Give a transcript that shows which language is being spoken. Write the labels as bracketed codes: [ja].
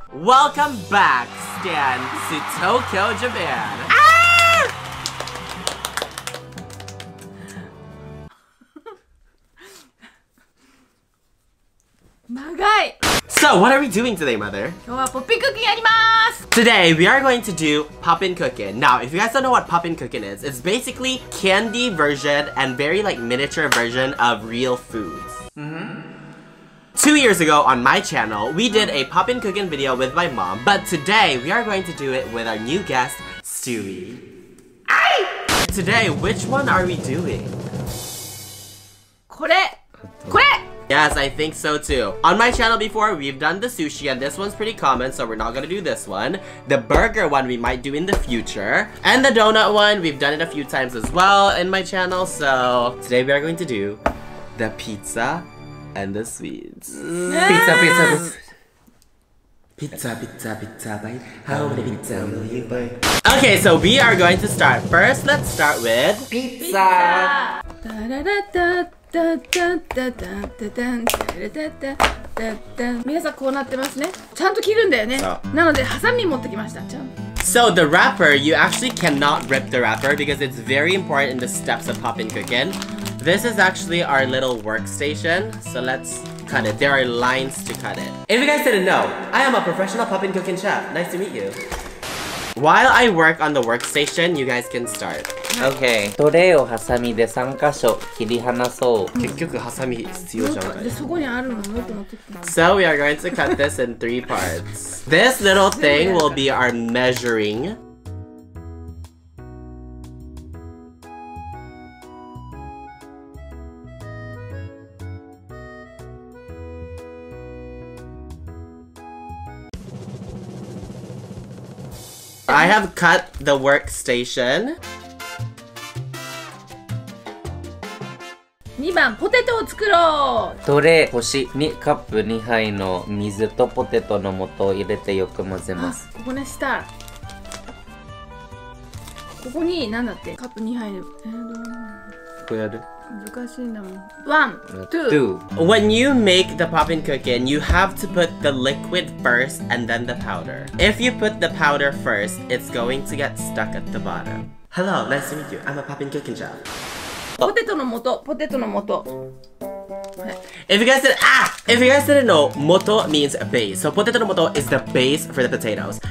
[en] Welcome back, Stan, to Tokyo, Japan! Magai! So, what are we doing today, Mother? [ja] 今日はポピクッキンやります! [en] Today, we are going to do Popin Cookin. Now, if you guys don't know what Popin Cookin is, it's basically candy version and very like miniature version of real foods. Mm-hmm. 2 years ago on my channel, we did a Popin Cookin video with my mom, but today, we are going to do it with our new guest, Stewie. Ay! Today, which one are we doing? [ja] これ!これ! [en] Yes, I think so too. On my channel before, we've done the sushi, and this one's pretty common, so we're not gonna do this one. The burger one we might do in the future. And the donut one, we've done it a few times as well in my channel, so... Today we are going to do the pizza and the sweets. Yes! Pizza, pizza, pizza. Pizza, pizza, pizza bite. How many pizza will you buy? Okay, so we are going to start. First, let's start with... Pizza! Da da da da da da da da da da da da da da da. [ja] 皆さんこうなってますね。ちゃんと切るんだよね。なのでハサミ持ってきました。ちゃんと。 [en] So the wrapper, you actually cannot rip the wrapper because it's very important in the steps of Popin Cookin. This is actually our little workstation. So let's cut it. There are lines to cut it. If you guys didn't know, I am a professional Popin Cookin chef. Nice to meet you. While I work on the workstation, you guys can start. Okay. [ja] トレーをハサミで3箇所切り離そう。結局ハサミ必要じゃない。で、そこにあるの。 [en] So we are going to cut this in 3 parts. This little thing will be our measuring. I have cut the workstation. [ja] 2番ポテトを作ろう。トレー星2カップ2杯の水とポテトの素を入れてよく混ぜます。あ、ここね、下ここに何だって、カップ2杯の、こうやる、難しいんだもん。1, 2. [en] When you make the Popin Cookin, you have to put the liquid first and then the powder. If you put the powder first, it's going to get stuck at the bottom. Hello, nice to meet you. I'm a Popin Cookin chef. [ja] ポテトの素、ポテトの素。 [en] If you guys didn't know, 素 means base. So potato の素 is the base for the potatoes.